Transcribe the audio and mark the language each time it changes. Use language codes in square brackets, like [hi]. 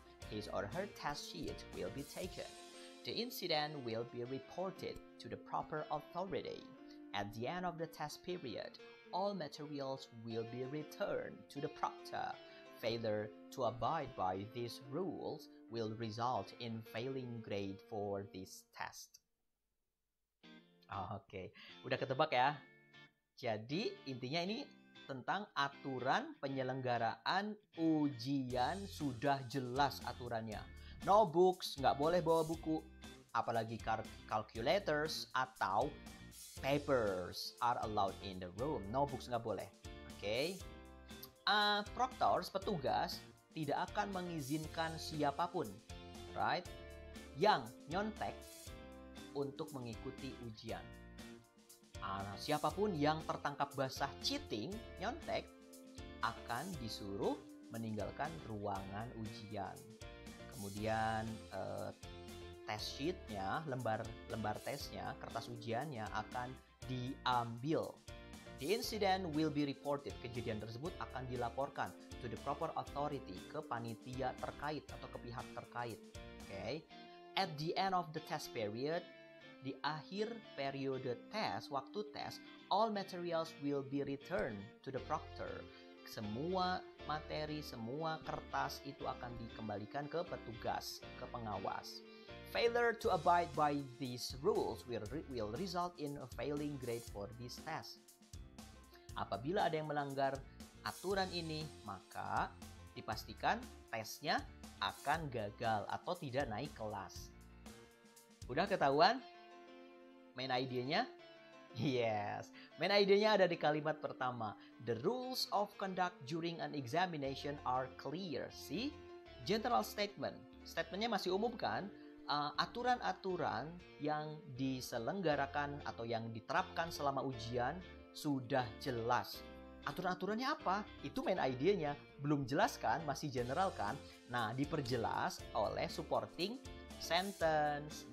[en] His or her test sheet will be taken. The incident will be reported to the proper authority. At the end of the test period, all materials will be returned to the proctor. Failure to abide by these rules will result in failing grade for this test. [id] Oke, udah ketebak ya? Jadi, intinya ini tentang aturan penyelenggaraan ujian sudah jelas aturannya. [en] No books, [id] nggak boleh bawa buku. [en] Apalagi calculators atau papers are allowed in the room. No books, [id] nggak boleh. Oke. Proctors, petugas, tidak akan mengizinkan siapapun, right, yang nyontek untuk mengikuti ujian. Siapapun yang tertangkap basah cheating, nyontek, akan disuruh meninggalkan ruangan ujian. Kemudian test sheet-nya, lembar-lembar tesnya, kertas ujiannya akan diambil. [en] The incident will be reported. [id] Kejadian tersebut akan dilaporkan [en] to the proper authority, [id] ke panitia terkait atau ke pihak terkait. Okay. [en] At the end of the test period, [id] di akhir periode tes, waktu tes, [en] all materials will be returned to the proctor. [id] Semua materi, semua kertas itu akan dikembalikan ke petugas, ke pengawas. [en] Failure to abide by these rules will result in a failing grade for this test. [id] Apabila ada yang melanggar aturan ini, maka dipastikan tesnya akan gagal atau tidak naik kelas. Udah ketahuan? Main idenya? Yes, main idenya ada di kalimat pertama. [en] The rules of conduct during an examination are clear. See? General statement. [id] Statementnya masih umum kan? Aturan-aturan yang diselenggarakan atau yang diterapkan selama ujian sudah jelas. Aturan-aturannya apa? Itu main idenya. Belum jelas kan? Masih general kan? Nah, diperjelas oleh supporting sentence.